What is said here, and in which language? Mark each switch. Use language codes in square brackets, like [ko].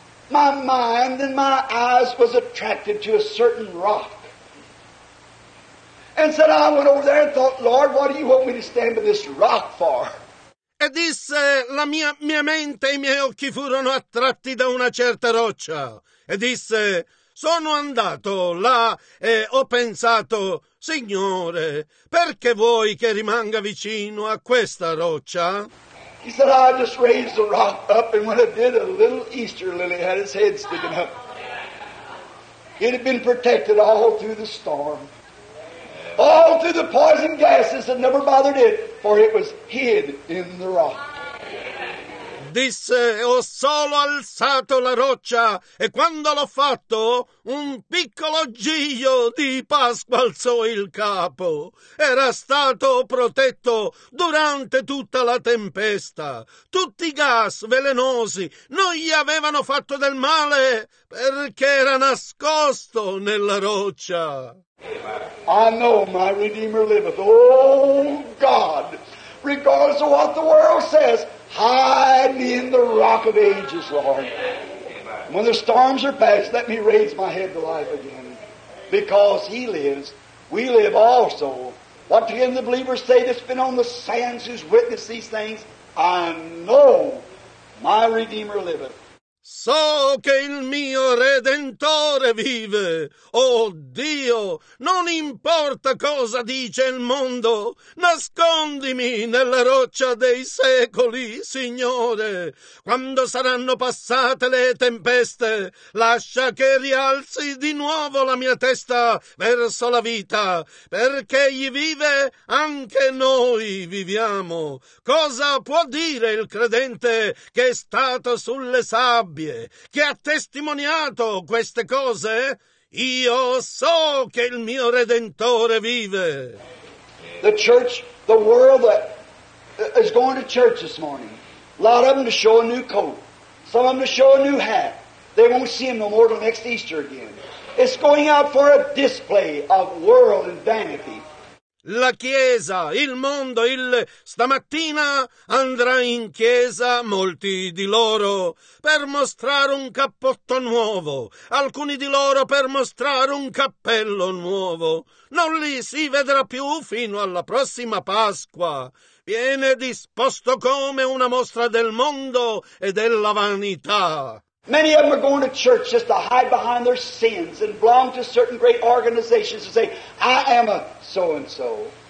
[en] My mind and my eyes was attracted to a certain rock. And said, I went over there and thought, Lord, what do you want me to stand by this rock for? [it] E disse, la mia mente e i miei occhi furono attratti da una certa roccia. E disse, sono andato là e ho pensato, Signore, perché vuoi che rimanga vicino a questa roccia? [en] He said, I just raised the rock up, and when I did, a little Easter lily had its head sticking up. It had been protected all through the storm, all through the poison gases that never bothered it, for it was hid in the rock. [it] Disse, ho solo alzato la roccia, e quando l'ho fatto, un piccolo giglio di Pasqua alzò il capo. Era stato protetto durante tutta la tempesta. Tutti i gas velenosi non gli avevano fatto del male, perché era nascosto nella roccia. [en] I know my Redeemer liveth. Oh God, regardless of what the world says, hide me in the rock of ages, Lord. When the storms are past, let me raise my head to life again. Because he lives, we live also. What can the believers say that's been on the sands who's witnessed these things? I know my Redeemer liveth. [it] So che il mio Redentore vive. Oh Dio, non importa cosa dice il mondo, nascondimi nella roccia dei secoli, Signore. Quando saranno passate le tempeste, lascia che rialzi di nuovo la mia testa verso la vita, perché egli vive, anche noi viviamo. Cosa può dire il credente che è stato sulle sabbie? Che ha testimoniato queste cose? Io so che il mio Redentore vive. [en] The church, the world that is going to church this morning, a lot of them to show a new coat, some of them to show a new hat. They won't see him no more till next Easter again. It's going out for a display of world and vanity. [it] La Chiesa, il mondo, stamattina andrà in chiesa, molti di loro, per mostrare un cappotto nuovo, alcuni di loro per mostrare un cappello nuovo. Non li si vedrà più fino alla prossima Pasqua. Viene disposto come una mostra del mondo e della vanità. [en] Many of them are going to church just to hide behind their sins and belong to certain great organizations and say, I am a so-and-so.